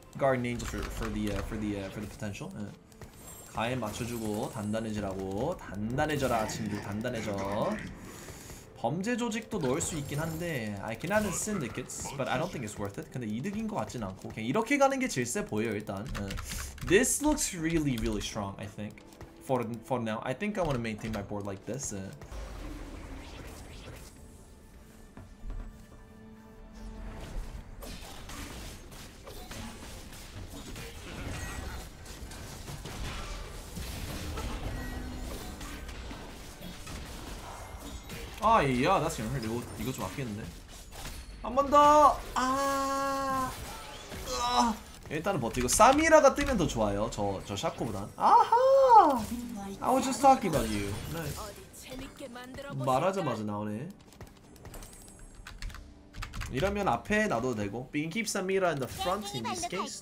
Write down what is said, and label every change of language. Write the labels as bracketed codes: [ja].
[en] Guardian Angels for the potential. [ko] Kain 맞춰주고 단단해지라고. 단단해져라 친구. 단단해져. 범죄 조직도 넣을 수 있긴 한데 [en] I can add in syndicates, but I don't think it's worth it. [ko] 근데 이득인 것 같진 않고 그냥 이렇게 가는 게 제일 세 보여 일단. [en] This looks really really strong, I think. For now, I think I want to maintain my board like this. Oh yeah, that's gonna hurt. [ko] 이거 이거 좀 아끼는데. 한 번 더. 아. 일단은 버티고 사미라가 뜨면 더 좋아요. 저 샤코보단. [en] 아하. I was just talking about you. [ko] Nice. 말하자마자 나오네. 이러면 앞에 놔둬도 되고. [en] We can keep Samira in the front in this case.